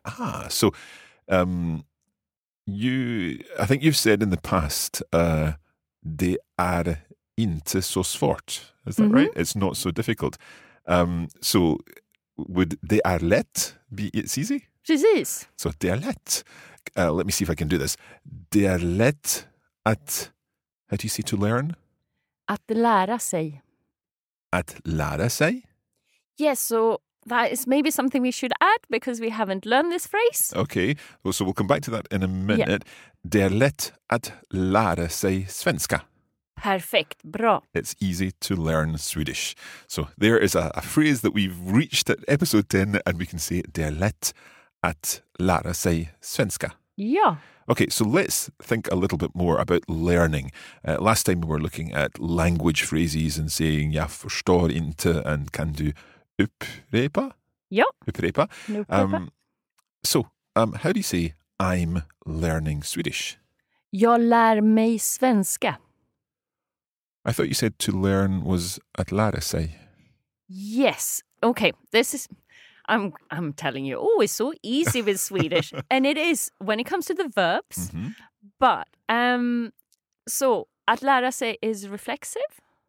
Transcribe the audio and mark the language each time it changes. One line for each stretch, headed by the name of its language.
English: Ah, so I think you've said in the past,
Swedish: det är inte så svårt.
English: Is that right? It's not so difficult. So would
Swedish: det är lätt
English: be it's easy?
Swedish: Precis. So det är lätt.
English: Let me see if I can do this.
Swedish: Det är lätt att...
English: How do you say to learn?
Swedish: Att lära sig. Att lära sig?
English: Yes, so that is maybe something we should add because we haven't learned this phrase. Okay, well, so we'll come back to that in a minute. Yeah.
Swedish: Det är lätt att lära sig svenska. Perfekt, bra.
English: It's easy to learn Swedish. So there is a phrase that we've reached at episode 10 and we can say
Swedish: det är lätt att lära sig svenska. Ja.
English: Okay, so let's think a little bit more about learning. Last time we were looking at language phrases and saying
Swedish: "jag förstår inte"
English: and
Swedish: "kan du upprepa?" Ja. Upprepa.
English: So, how do you say "I'm learning Swedish"?
Swedish: Jag lär mig svenska.
English: I thought you said to learn was
Swedish: att lära sig.
English: Yes. Okay. I'm telling you, oh, it's so easy with Swedish. And it is when it comes to the verbs. Mm-hmm. But, so,
Swedish: att lära sig
English: is reflexive.